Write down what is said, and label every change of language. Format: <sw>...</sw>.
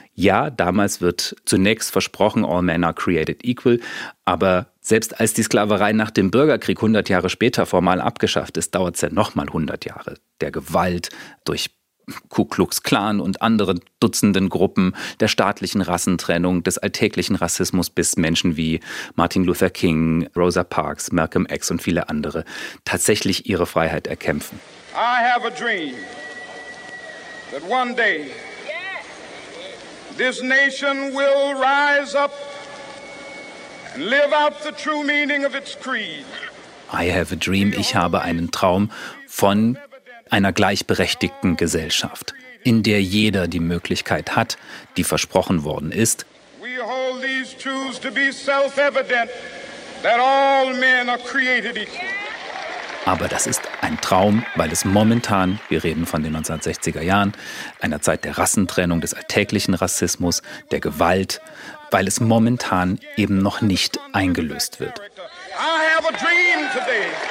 <de>Ja, damals wird zunächst versprochen,</de> <en>all men are created equal,</en> <de>aber selbst als die Sklaverei nach dem Bürgerkrieg 100 Jahre später formal abgeschafft ist, dauert es ja nochmal 100 Jahre der Gewalt durch Ku Klux Klan und andere dutzenden Gruppen, der staatlichen Rassentrennung, des alltäglichen Rassismus, bis Menschen wie Martin Luther King, Rosa Parks, Malcolm X und viele andere tatsächlich ihre Freiheit erkämpfen.</de> <en>I have a dream that one day this nation will rise up and live out the true meaning of its creed. I have a dream,</en> <de>ich habe einen Traum von einer gleichberechtigten Gesellschaft, in der jeder die Möglichkeit hat, die versprochen worden ist.</de> <en>We hold these truths to be self-evident, that all men are created equal.</en> <de>Aber das ist ein Traum, weil es momentan, wir reden von den 1960er Jahren, einer Zeit der Rassentrennung, des alltäglichen Rassismus, der Gewalt, weil es momentan eben noch nicht eingelöst wird.</de> <en>I have a dream today.</en>